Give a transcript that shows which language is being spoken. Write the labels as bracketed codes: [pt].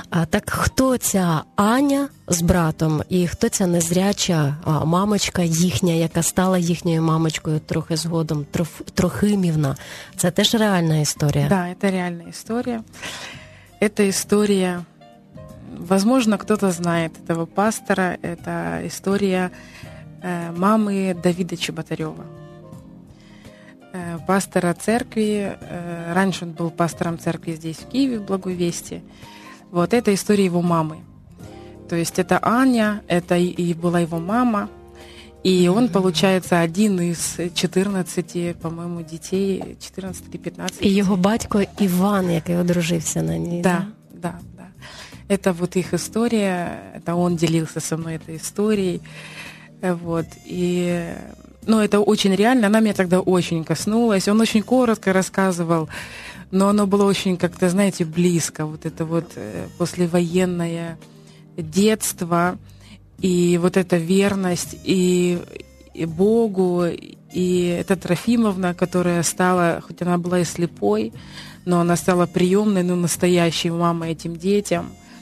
[uk] Так хто ця Аня з братом і хто ця незряча мамочка їхня, яка стала їхньою мамочкою трохи згодом, Трохимівна? Це теж реальна історія? Так, да, це реальна історія. Це історія, можливо, хтось знає цього пастора, це історія мами Давида Чеботарьова. [ru] Пастора церкви, раньше он был пастором церкви здесь, в Киеве, в Благовестии. Вот это история его мамы. То есть это Аня, это и была его мама, и он, получается, один из 14, по-моему, детей, 14 или 15. И его [uk] батько [ru] Иван, [uk] який одружився [ru] на ней. Да, да, да. Это вот их история, это он делился со мной этой историей. Вот, и... Но это очень реально, она меня тогда очень коснулась. Он очень коротко рассказывал, но оно было очень как-то, знаете, близко. Вот это вот послевоенное детство и вот эта верность и Богу, и эта Трофимовна, которая стала, хоть она была и слепой, но она стала приемной, ну, настоящей мамой этим детям.